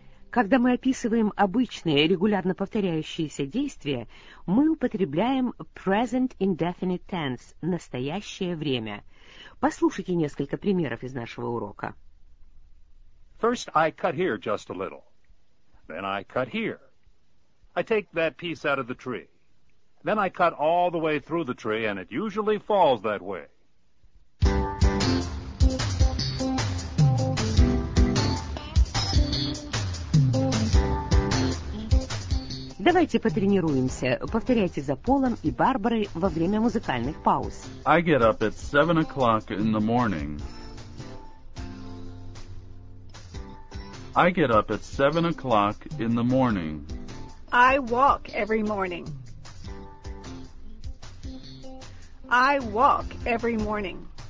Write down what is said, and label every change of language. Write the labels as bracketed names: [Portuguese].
[Russian] Когда мы описываем обычные, регулярно повторяющиеся действия, мы употребляем [English] present indefinite tense, [Russian] настоящее время. Послушайте несколько примеров из нашего урока. [English] First, I cut here just a little. Then I cut here. I take that piece out of the tree. Then I cut all the way through the tree, and it usually falls that way. [Russian] Давайте потренируемся. Повторяйте за Полом и Барбарой во время музыкальных пауз. [English] I get up at 7 o'clock in the morning. I get up at 7 o'clock in the morning. I walk every morning. I walk every morning.